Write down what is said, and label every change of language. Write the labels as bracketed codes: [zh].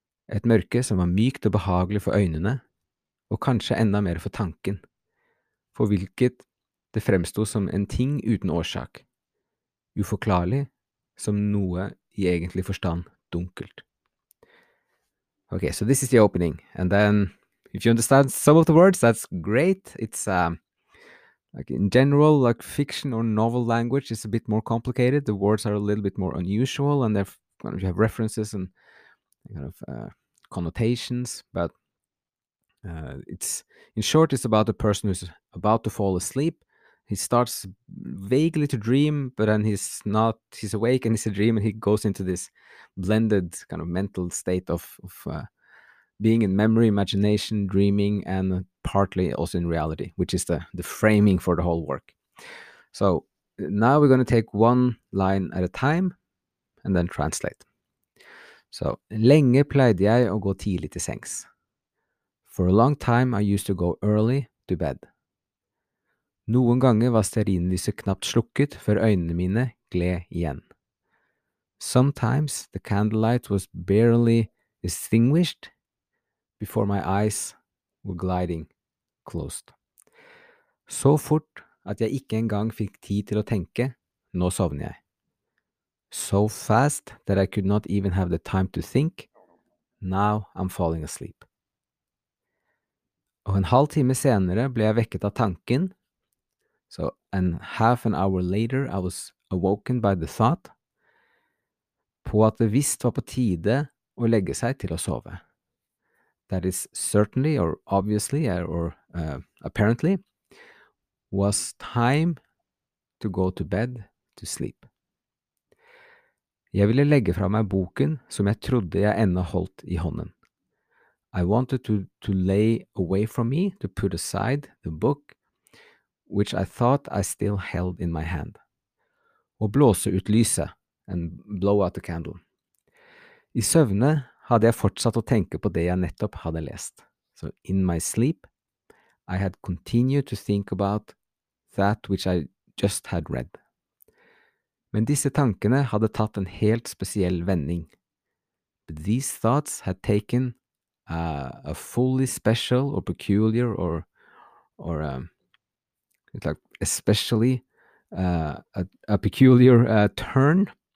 [no] Et mørke som var mykt og behagelig for øynene, og kanskje enda mer for tanken, for hvilket det fremsto som en ting uten årsak. Uforklarlig, som noe i egentlig forstand dunkelt. [en] Okay, so this is the opening, and then if you understand some of the words, that's great. It's like in general, like fiction or novel language is a bit more complicated. The words are a little bit more unusual, and they're kind of, you have references and kind of connotations. But it's in short, it's about a person who's about to fall asleep. He starts vaguely to dream, but then he's awake and it's a dream, and he goes into this blended kind of mental state of being in memory, imagination, dreaming, and partly also in reality, which is the framing for the whole work. So now we're going to take one line at a time and then translate. So, [no] lenge pleide jeg å gå tidlig til sengs. [en] For a long time, I used to go early to bed. [no] Noen ganger var stearinlyset knapt slukket før øynene mine gled igjen. [en] Sometimes the candlelight was barely extinguished before my eyes were gliding closed. [no] Så fort at jeg ikke engang fikk tid til å tenke, nå sovner jeg. [en] So fast that I could not even have the time to think, now I'm falling asleep. [no] Og en halv time senere ble jeg vekket av tanken. [en] So, and half an hour later, I was awoken by the thought, [no] på at det visst var på tide å legge seg til å sove. [en] That is certainly, or obviously, or apparently, was time to go to bed, to sleep. [no] Jeg ville legge fra meg boken som jeg trodde jeg ennå holdt i hånden. [en] I wanted to lay away from me, to put aside the book, which I thought I still held in my hand. [no] Å blåse ut lyset, [en] and blow out the candle. [no] I søvne hadde jeg fortsatt å tenke på det jeg nettopp hadde lest. [en] So in my sleep, I had continued to think about that which I just had read. [no] Men disse tankene hadde tatt en helt spesiell vending. [en] But these thoughts had taken a fully special or peculiar turn.